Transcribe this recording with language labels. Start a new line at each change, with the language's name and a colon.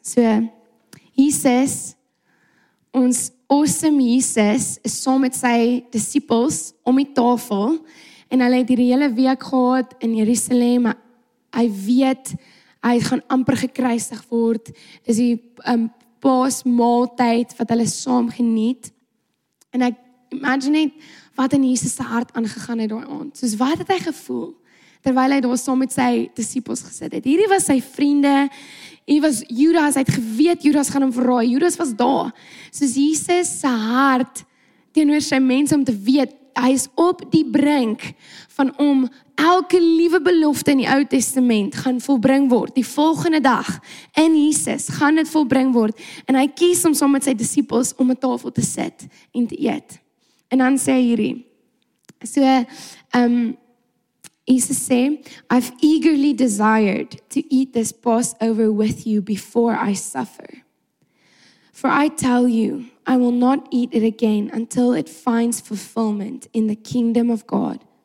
Afrikaans: So Jesus, ons awesome Jesus is saam met sy disippels om die tafel en hulle het hierdie hele week gehad in Jerusalem. Hy weet hy gaan amper gekruisig word. Is die paasmaaltyd wat hulle saam geniet. En ek imagine wat in Jesus se hart aangegaan het daai aand. Soos wat het hy gevoel terwyl hy daar saam met sy disippels gesit het. Hierdie was sy vriende. Hy was Judas, hy het geweet Judas gaan hom verraai. Judas was daar. Soos Jesus se hart teenoor sy mense om te weet hy is op die brink van om elke liewe belofte in die Ou Testament gaan volbring word. Die volgende dag in Jesus gaan dit volbring word en hy kies om saam met sy disippels om 'n tafel te sit en te eet. En dan sê hierdie.
English: So,
Afrikaans: Jesus sê,
English: I've eagerly desired to eat this Passover with you before I suffer. For I tell you, I will not eat it again until it finds fulfillment in the kingdom of God.